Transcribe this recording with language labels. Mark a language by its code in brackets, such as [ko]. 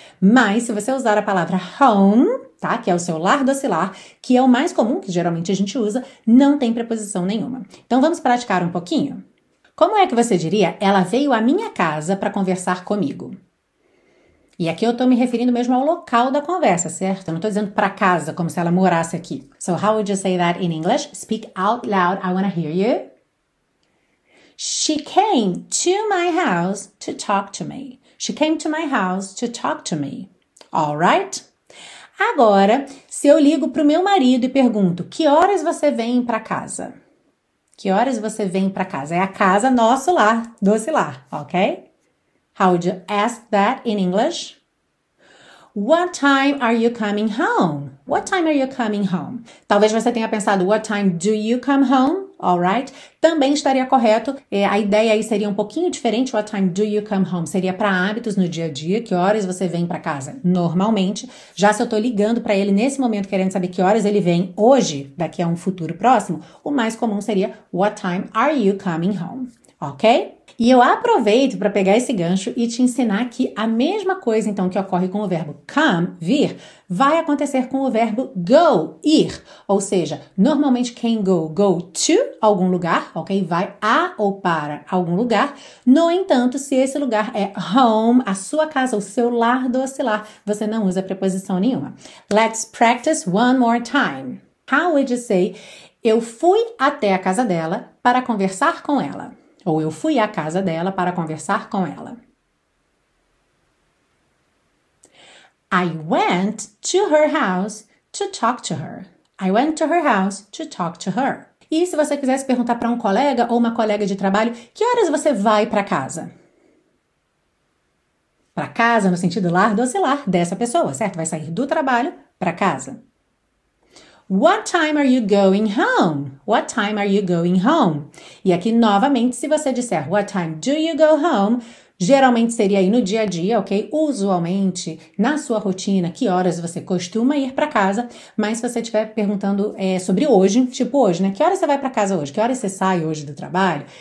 [pt] Mas se você usar a palavra home, tá? Que é o seu lar docilar, que é o mais comum, que geralmente a gente usa, não tem preposição nenhuma. Então vamos praticar um pouquinho? Como é que você diria, ela veio à minha casa para conversar comigo? E aqui eu estou me referindo mesmo ao local da conversa, certo? Eu não estou dizendo para casa, como se ela morasse aqui. [en] So, how would you say that in English? Speak out loud, I want to hear you. She came to my house to talk to me. She came to my house to talk to me. All right? [pt] Agora, se eu ligo para o meu marido e pergunto, que horas você vem para casa? Que horas você vem para casa? É a casa, nosso lar, doce lar, ok? [en] How would you ask that in English? What time are you coming home? What time are you coming home? [pt] Talvez você tenha pensado, [en] what time do you come home? All right. [pt] Também estaria correto. A ideia aí seria um pouquinho diferente. [en] What time do you come home? [pt] Seria para hábitos no dia a dia. Que horas você vem para casa? Normalmente. Já se eu estou ligando para ele nesse momento, querendo saber que horas ele vem hoje, daqui a um futuro próximo, o mais comum seria, [en] what time are you coming home? [pt] Ok? E eu aproveito para pegar esse gancho e te ensinar que a mesma coisa, então, que ocorre com o verbo come, vir, vai acontecer com o verbo go, ir. Ou seja, normalmente can go, go to algum lugar, ok? Vai a ou para algum lugar. No entanto, se esse lugar é home, a sua casa, o seu lar doce lar, você não usa preposição nenhuma. [en] Let's practice one more time. How would you say, [pt] eu fui até a casa dela para conversar com ela? Ou eu fui à casa dela para conversar com ela. [en] I went to her house to talk to her. I went to her house to talk to her. [pt] E se você quisesse perguntar para um colega ou uma colega de trabalho, que horas você vai para casa? Para casa no sentido lar, doce lar dessa pessoa, certo? Vai sair do trabalho para casa. [en] What time are you going home? What time are you going home? [pt] E aqui, novamente, se você disser [en] what time do you go home, [pt] geralmente seria aí no dia a dia, ok? Usualmente, na sua rotina, que horas você costuma ir para casa. Mas se você estiver perguntando sobre hoje, tipo hoje, né? Que horas você vai para casa hoje? Que horas você sai hoje do trabalho?